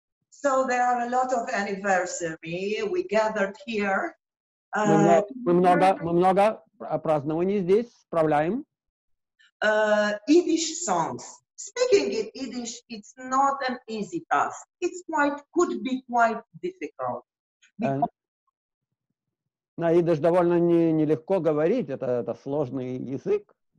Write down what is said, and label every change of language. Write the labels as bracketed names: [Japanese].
[English] So there are a lot of anniversary we gathered here. [Russian] Мы много празднований здесь справляем. [English] Yiddish songs. Speaking in Yiddish, it's not an easy task. It's quite, could be quite difficult. [Russian] На Yiddish довольно нелегко говорить, это сложный язык.